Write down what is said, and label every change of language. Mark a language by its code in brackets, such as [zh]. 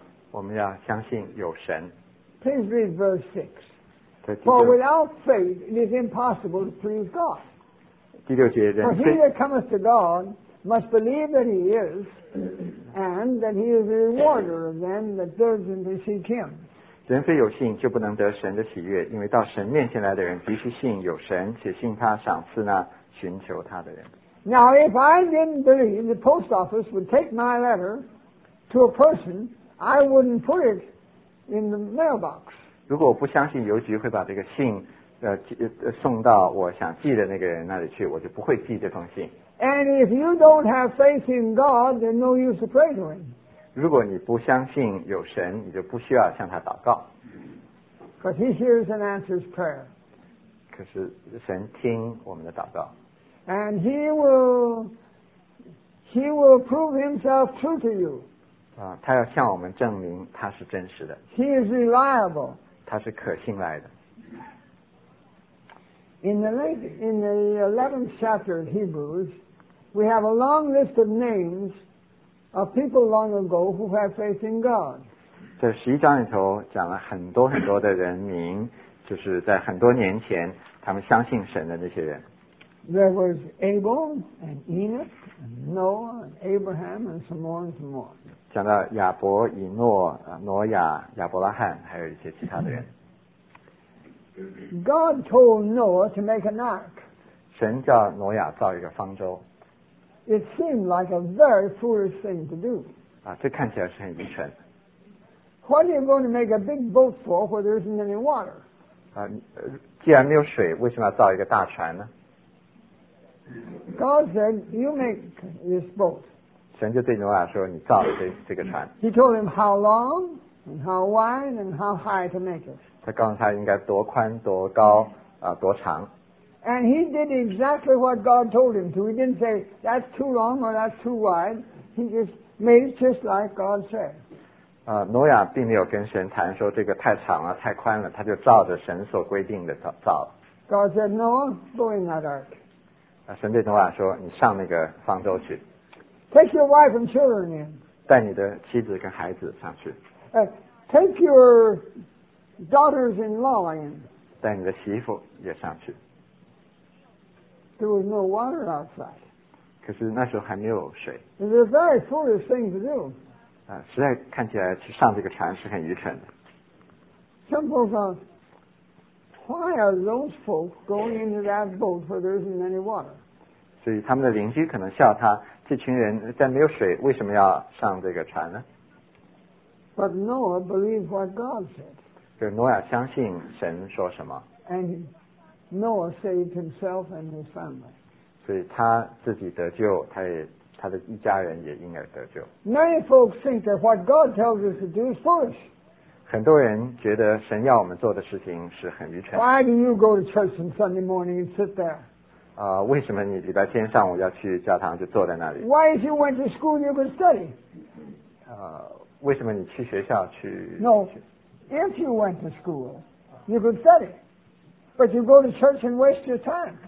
[zh] 我们要相信有神。 [en] Please read verse 6. [zh] 第六, [en] For without faith, it is impossible to please God. [zh] 第六节, [en] For he that cometh to God must believe that he is, and that he is a rewarder of them that diligently seek him. [zh] 人非有信就不能得神的喜悦，因为到神面前来的人必须信有神，且信他赏赐那寻求他的人。 [en] Now, if I didn't believe the post office would take my letter to a person, I wouldn't put it in the mailbox. [zh] 如果我不相信邮局会把这个信送到我想寄的那个人那里去，我就不会寄这封信。 [en] And if you don't have faith in God, then no use to pray to him. [zh] 如果你不相信有神，你就不需要向他祷告。 [en] Because he hears and answers prayer. [zh] 可是神听我们的祷告。 [en] And he will prove himself true to you. [zh] 他要向我们证明他是真实的。 [en] He is reliable. [zh] 他是可信赖的。 [en] In the 11th chapter of Hebrews, we have a long list of names are people long ago who had faith in God. [zh] 在十一章里头讲了很多很多的人名，就是在很多年前他们相信神的那些人。 [en] There was Abel and Enoch and Noah and Abraham and some more and some more. [zh] 讲到亚伯、以诺、挪亚、亚伯拉罕，还有一些其他的人。 [en] God told Noah to make an ark. [zh] 神叫挪亚造一个方舟。 [en] It seemed like a very foolish thing to do. [zh] 啊，这看起来是很愚蠢。 [en] What are you going to make a big boat for where there isn't any water? [zh] 啊，既然没有水，为什么要造一个大船呢？ [en] God said, "You make this boat." [zh] 神就对挪亚说：“你造这个船。” [en] He told him how long and how wide and how high to make it. [zh] 他告诉他应该多宽、多高、多长。 [en] And he did exactly what God told him to. He didn't say that's too long or that's too wide. He just made it just like God said. [zh] 挪亚并没有跟神谈说这个太长了、太宽了，他就照着神所规定的造。 [en] God said, "Noah, go in that ark." [zh] 神对挪亚说：“你上那个方舟去。” [en] Take your wife and children in. [zh] 带你的妻子跟孩子上去。 [en] Take your daughters-in-law in. [zh] 带你的媳妇也上去。 [en] There was no water outside. [zh] 可是那时候还没有水。 [en] It was a very foolish thing to do. [zh] 实在看起来去上这个船是很愚蠢的。 [en] Some people thought, why are those folk going into that boat where there isn't any water? [zh] 所以他们的邻居可能笑他，这群人在没有水为什么要上这个船呢？ [en] But Noah believed what God said. [zh] 就是挪亚相信神说什么。 [en] And Noah saved himself and his family. [zh] 所以他自己得救，他的一家人也应该得救。 [en] Many folks think that what God tells us to do is foolish. [zh] 很多人觉得神要我们做的事情是很愚蠢。 [en] Why do you go to church on Sunday morning and sit there? [zh] 为什么你礼拜天上午要去教堂就坐在那里？ [en] Why if you went to school you could study? [zh] 为什么你去学校去？ [en] No, if you went to school, you could study. But you go to church and waste your time.